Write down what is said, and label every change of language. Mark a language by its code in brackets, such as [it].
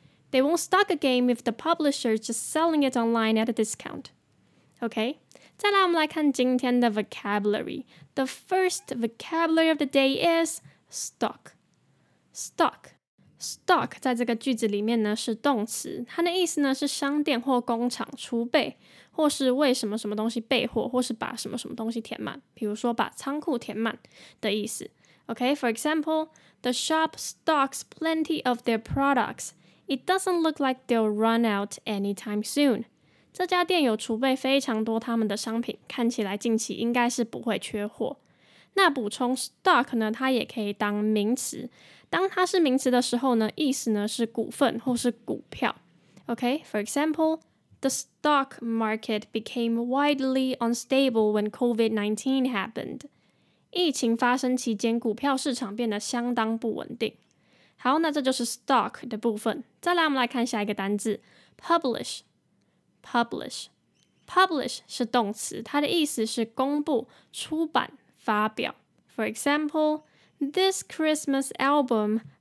[en] They won't stock a game if the publisher is just selling it online at a discount. Okay? [zh] 再来我们来看今天的 [en] vocabulary. The first vocabulary of the day is stock. [zh] Stock. Stock 在这个句子里面呢是动词。它的意思呢是商店或工厂储备或是为什么什么东西备货或是把什么什么东西填满。比如说把仓库填满的意思。 [en] Okay? For example, the shop stocks plenty of their products. It doesn't look like they'll run out anytime soon. [zh] 这家店有储备非常多他们的商品，看起来近期应该是不会缺货。那补充 stock 呢，它也可以当名词。当它是名词的时候呢，意思呢是股份或是股票。 [en] Okay, for example, the stock market became widely unstable when COVID-19 happened. [zh] 疫情发生期间，股票市场变得相当不稳定。好，那这就是 stock 的部分。再来，我们来看下一个单字 publish。 publish 是动词，它的意思是公布、出版、发表。 [en] For example, this Christmas album